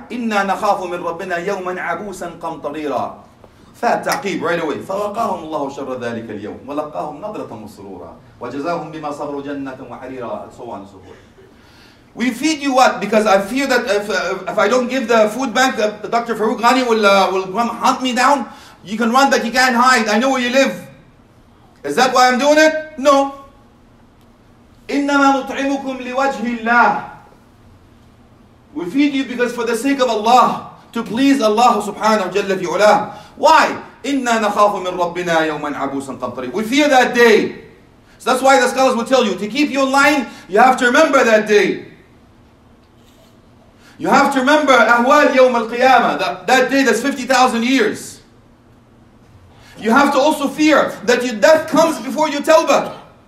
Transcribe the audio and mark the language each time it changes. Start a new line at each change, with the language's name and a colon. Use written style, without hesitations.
Arabic: إِنَّا نَخَافُ مِنْ رَبِّنَا يَوْمًا عَبُوسًا قَمْطَرِيرًا فَاتَّقِيب
English: right away.
Arabic: فَوَقَاهُمْ اللَّهُ شَرَّ ذَلِكَ الْيَوْمِ وَلَقَّاهُمْ نَظْرَةً مَسْرُورًا وَجَزَاهُمْ بِمَا صَبْرُ جَنَّةً وَحَرِيرًا
English: so on and so forth. We feed you what? Because I fear that if I don't give the food bank, Dr. Farooq Ghani will hunt me down. You can run, but you can't hide. I know where you live. Is that why I'm doing it? No.
Arabic: إِنَّمَا نُطْعِمُكُمْ لِوَجْهِ اللَّهِ
English: We feed you because for the sake of Allah, to please Allah subhanahu wa jalla fi ula. Why?
Arabic: إِنَّا نَخَافُ مِنْ رَبِّنَا يَوْمًا عَبُوسًا قَمْطَرِيرًا
English: We fear that day. So that's why the scholars will tell you, to keep you in line, you have to remember that day. You have to remember
Arabic: أَهْوَالْ يَوْمَ الْقِيَامَةِ
English: That day that's 50,000 years. You have to also fear that your death comes before your tawbah.